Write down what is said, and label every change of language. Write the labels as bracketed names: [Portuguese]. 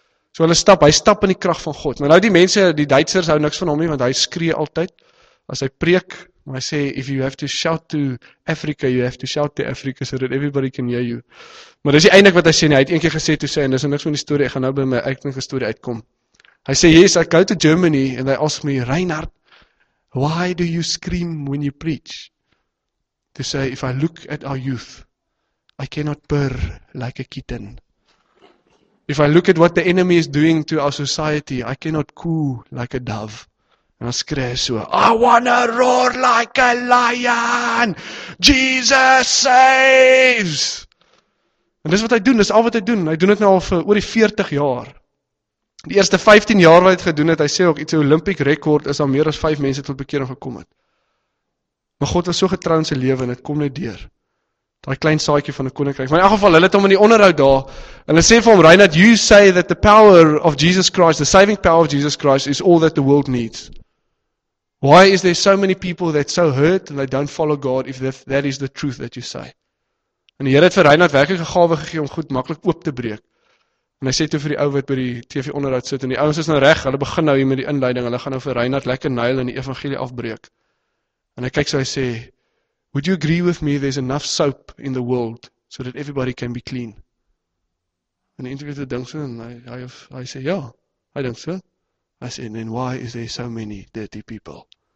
[Afrikaans] So hy stap in die krag van God, maar nou die mense, die Duitsers hou niks van hom nie, want hy skree altyd, as hy preek, maar hy sê, [English] if you have to shout to Africa, you have to shout to Africa, so that everybody can hear you. [Afrikaans] Maar dis die eindig wat hy sê nie, hy het een keer gesê toe sê, en dis niks van die story, ek gaan nou by my eindige story uitkom. Hy sê, [English] yes, I go to Germany, and they ask me, Reinhard, why do you scream when you preach? To say, if I look at our youth, I cannot purr like a kitten. If I look at what the enemy is doing to our society, I cannot coo like a dove. [Afrikaans] En dan skree so, [English] I wanna roar like a lion, Jesus saves! [Afrikaans] En dis wat hy doen, dis al wat hy doen, hy doen dit nou al vir oor die 40 jaar. Die eerste 15 jaar wat hy het gedoen het, hy sê ook iets, Olympic record is al meer as 5 mense tot bekering gekom het. Maar God was so getrou in sy lewe en het kom net deur. Daai klein saadjie van 'n koninkryk. Maar in elk geval, hulle het hom in die onderhoud daar, en hulle sê vir hom, [English] Reinhard, you say that the power of Jesus Christ, the saving power of Jesus Christ is all that the world needs. Why is there so many people that so hurt and they don't follow God if that is the truth that you say? [Afrikaans] En die Here het vir Reinhard werklik 'n gawe gegee om goed maklik oop te breek. En hy sê toe vir die ou wat by die TV onderhoud sit, en die ouens is nou reg, hulle begin nou hier met die inleiding, hulle gaan nou vir Reinhard lekker nail in die evangelie afbreek. En hy kyk so, hy sê, [English] would you agree with me there's enough soap in the world so that everybody can be clean? [Afrikaans] En die interviewer dink so, en hy sê, ja, hy dink so. Hy sê, [English] then why is there so many dirty people?